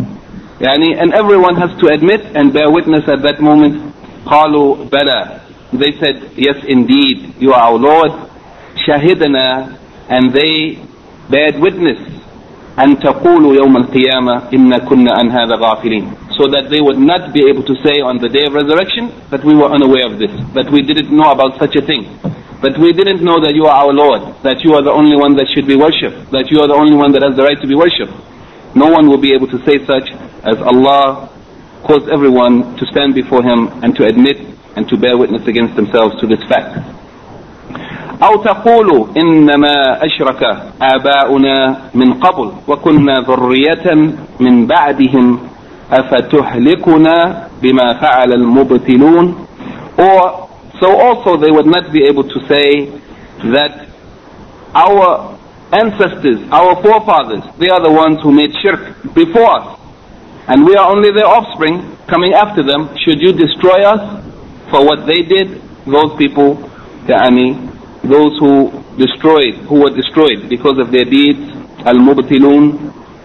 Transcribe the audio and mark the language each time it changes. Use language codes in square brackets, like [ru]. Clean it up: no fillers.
[en] يعني, and everyone has to admit and bear witness at that moment, [ar] قَالُوا بَلَىٰ, [en] they said, yes indeed, you are our Lord, شَهِدْنَا, and they bear witness, [ar] أن تقولوا يوم القيامة إن كنا عن هذا غافلين, [en] so that they would not be able to say on the day of resurrection that we were unaware of this, that we didn't know about such a thing, that we didn't know that you are our Lord, that you are the only one that should be worshipped, that you are the only one that has the right to be worshipped. No one will be able to say such, as Allah caused everyone to stand before Him and to admit and to bear witness against themselves to this fact. [ar] أو تقول إنما أشرك آباؤنا من قبل وكنا ذرية من بعدهم أفتهلكنا بما فعل المبطلون. [en] Or so also they would not be able to say that our ancestors, our forefathers, they are the ones who made shirk before us, and we are only their offspring coming after them. Should you destroy us for what they did, those people, يعني, those who destroyed, who were destroyed because of their deeds, al-mubtilun.